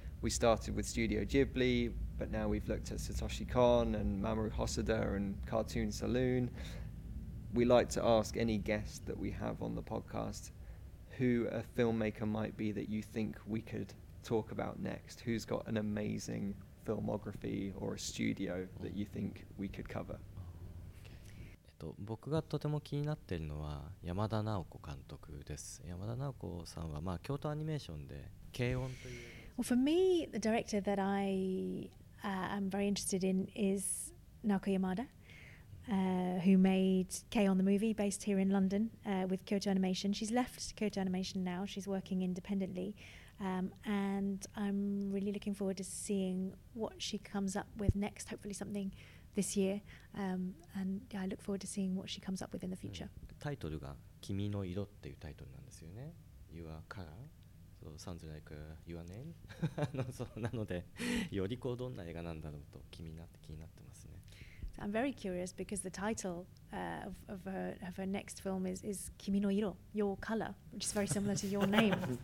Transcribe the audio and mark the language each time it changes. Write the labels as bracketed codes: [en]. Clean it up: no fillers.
[en] We started with Studio Ghibli, but now we've looked at Satoshi Kon and Mamoru Hosoda and Cartoon Saloon. We like to ask any guest that we have on the podcast who a filmmaker might be that you think we could talk about next. Who's got an amazing filmography or a studio that you think we could cover? [ja] 僕がとても気になっているのは山田直子監督です。山田直子さんは、まあ、京都アニメーションで軽音という。 [en] Well, for me, the director that I am very interested in is Naoko Yamada, who made K-On! The Movie based here in London with Kyoto Animation. She's left Kyoto Animation now. She's working independently. And I'm really looking forward to seeing what she comes up with next, hopefully something this year. And I look forward to seeing what she comes up with in the future. [ja] タイトルが君の色っていうタイトルなんですよね。 [en] You are color. Sounds like your name. So, [ja] なので、よりこうどんな映画なんだろうと気になって気になってますね。 [en] I'm very curious because the title of her next film is Kimi no Iro, Your Color, which is very similar to Your Name.